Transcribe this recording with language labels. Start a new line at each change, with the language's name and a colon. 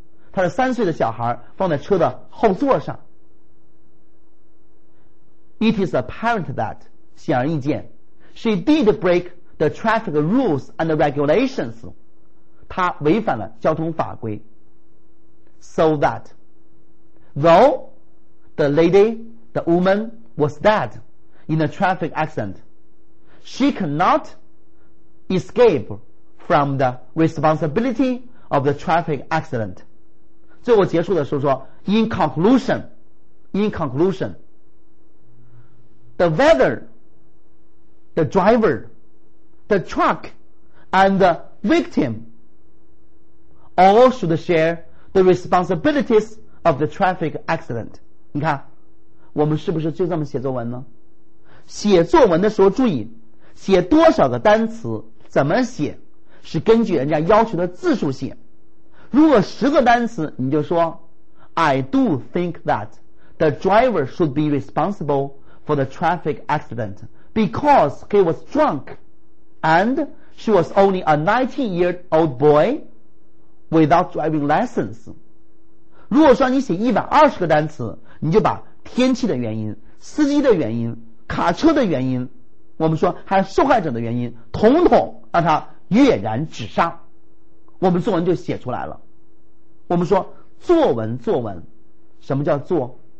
Chinese: 她的三岁的小孩放在车的后座上。
English: It is apparent that,
Chinese: 显而易见,
English: she did break the traffic rules and regulations.
Chinese: 她违反了交通法规。
English: So that, though the woman was dead,in a traffic accident, she cannot escape from the responsibility of the traffic accident.
Chinese: 最后结束的时候说
English: In conclusion, the weather, the driver, the truck, and the victim all should share the responsibilities of the traffic accident.
Chinese: 你看我们是不是就这么写作文呢？写作文的时候注意写多少个单词，怎么写是根据人家要求的字数写。如果十个单词，你就说
English: I do think that the driver should be responsible for the traffic accident because he was drunk and she was only a 19-year-old boy without driving license.
Chinese: 如果说你写120个单词，你就把天气的原因、司机的原因、卡车的原因，我们说还有受害者的原因，统统让他跃然纸上，我们作文就写出来了。我们说作文，什么叫做？